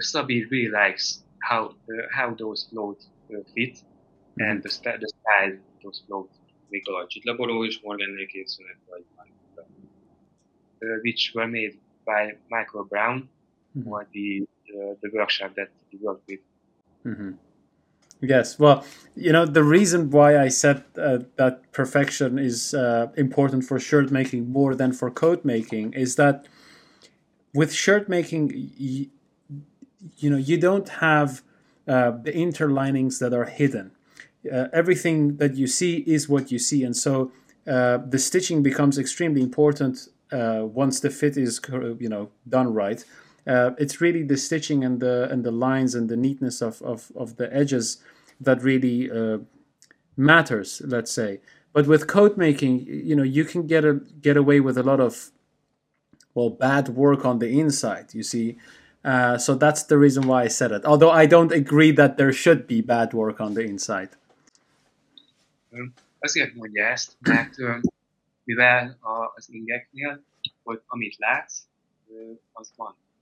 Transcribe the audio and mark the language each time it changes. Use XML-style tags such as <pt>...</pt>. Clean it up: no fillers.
<en>Szabi really likes how those clothes fit, mm-hmm. and the style of those clothes.</en> <hu>Mikor a csitleboró is Morgannél készülnek, vagy</hu> <en>Michael Brown. Which were made by Michael Brown, mm-hmm. or the workshop that he worked with. Mm-hmm. Yes, well, you know, the reason why I said that perfection is important for shirt making more than for coat making is that with shirt making, you don't have the interlinings that are hidden. Everything that you see is what you see, and so the stitching becomes extremely important once the fit is done right. It's really the stitching and the lines and the neatness of the edges that really matters, let's say. But with coat making, you can get away with a lot of bad work on the inside, you see. So that's the reason why I said it, although I don't agree that there should be bad work on the inside.</en> <hu>Azért mondja ezt, mert mivel az ingeknél, hogy amit látsz, az van.</hu>